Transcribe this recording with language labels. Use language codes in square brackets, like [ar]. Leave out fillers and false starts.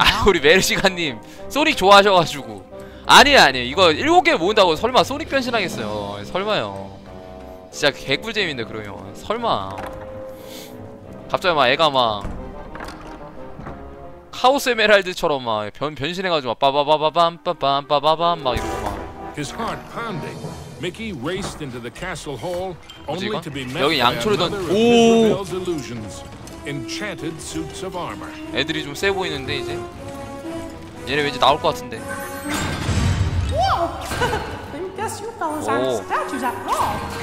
[ko] 아, 우리 메르시가님 소닉 좋아하셔가지고. 아니에요 아니에요, 이거 7개 모은다고 설마 소닉 변신하겠어요? 설마요. 진짜 개꿀잼인데 그러면. 설마 갑자기 막 애가 막 카오스 에메랄드처럼 막 변신해가지고 막 빠바바바밤 빠밤 빠바밤 막 이러고 막. [en] His heart pounding, Mickey raced into the castle hall, only to be met by another of Isabel's illusions, enchanted suits of armor. [ko] 애들이 좀 세 보이는데 이제 얘네 왠지 나올 것 같은데. [en] Whoa! I guess you fellows aren't statues after all.